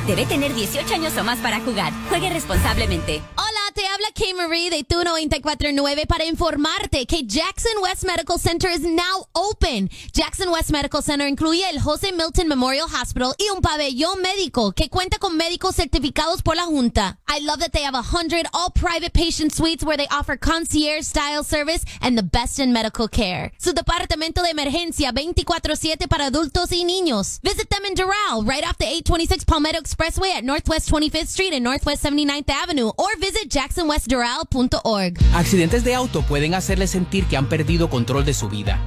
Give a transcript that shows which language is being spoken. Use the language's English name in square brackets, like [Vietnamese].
[Spanish] Debe tener 18 años o más para jugar. Juegue responsablemente. Hola, te habla Kay Marie de Tu 94.9 para informarte que Jackson West Medical Center [English] is now open. [Spanish] Jackson West Medical Center incluye el Jose Milton Memorial Hospital y un pabellón médico que cuenta con médicos certificados por la Junta. [English] I love that they have 100 all private patient suites where they offer concierge style service and the best in medical care. [Spanish] Su departamento de emergencia 24/7 para adultos y niños. [English] Visit them in Doral, right off the 826 Palmetto Expressway at Northwest 25th Street and Northwest 79th Avenue, or visit jacksonwestdoral.org. [Spanish] Accidentes de auto pueden hacerle sentir que han perdido control de su vida.